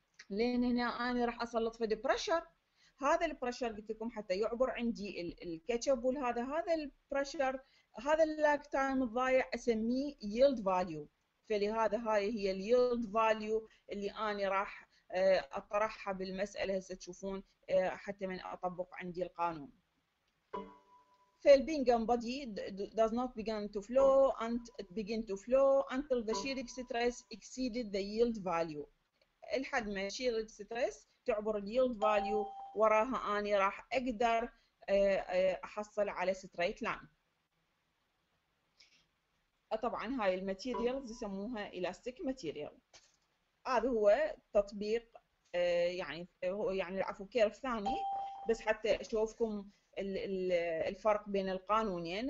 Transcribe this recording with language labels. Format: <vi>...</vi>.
<ar>لأن هنا أنا راح أسلط في البرشر. هذا البرشر قلت لكم حتى يعبر عندي الكاتشب والهذا هذا البرشر هذا اللاك تايم الضايع أسميه yield value. فلهذا هاي هي yield value اللي أنا راح أطرحها بالمسألة هسه تشوفون حتى من أطبق عندي القانون. فالبينجام بادي</ar> <en>does not begin to flow and it begin to flow until the shearing stress exceeded the yield value.</en> <ar>الحد ما shearing stress تعبر yield value وراها أني راح أقدر أحصل على straight line. طبعا هاي الماتيريالز يسموها elastic material. هذا هو تطبيق يعني العفو كيرف ثاني بس حتى اشوفكم الفرق بين القانونين.</ar>